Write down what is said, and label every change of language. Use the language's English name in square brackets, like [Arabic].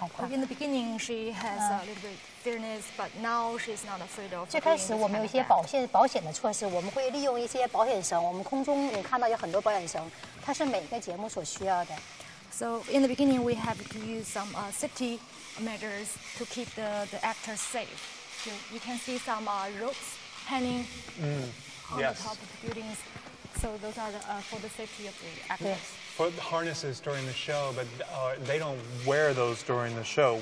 [English] In the beginning, she has a little bit of fearness, but now she's not afraid of it. [Chinese] 最开始我们有一些保险的措施,我们会利用一些保险绳,我们空中也看到有很多保险绳, 它是每个节目所需要的。 [English] So in the beginning, we have to use some safety measures to keep the actors safe. So you can see some ropes hanging on the top of the buildings. So those are for the safety of the actors. Put harnesses during the show, but they don't wear those during the show.